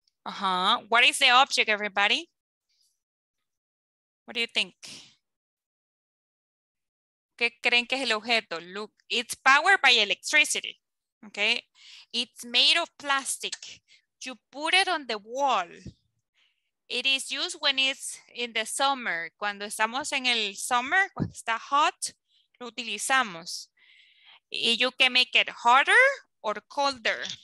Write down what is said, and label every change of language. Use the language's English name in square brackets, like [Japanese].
[English] Uh-huh. What is the object, everybody? What do you think? [Spanish] ¿Qué creen que es el objeto? [English] Look, it's powered by electricity. [Spanish] Okay. [English] It's made of plastic. You put it on the wall. It is used when it's in the summer. [Spanish] Cuando estamos en el summer, cuando está hot, lo utilizamos. [English] Y you can make it hotter or colder.